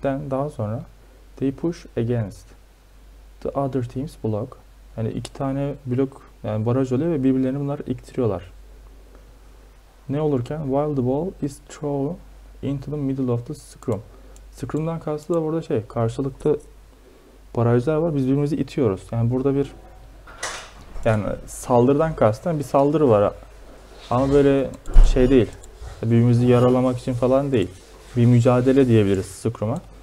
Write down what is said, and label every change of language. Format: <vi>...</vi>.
<en>Then</en> <tr>daha sonra</tr> <en>they push against the other team's block.</en> <tr>Yani iki tane blok, yani baraj oluyor ve birbirlerini bunlar iktiriyorlar. Ne olurken?</tr> <en>While the ball is thrown into the middle of the scrum.</en> <tr>Scrum'dan kastı da burada şey, karşılıklı barajlar var. Biz birbirimizi itiyoruz. Yani burada bir, yani saldırıdan kastım, bir saldırı var ama böyle şey değil, birbirimizi yaralamak için falan değil, bir mücadele diyebiliriz scrum'a.</tr>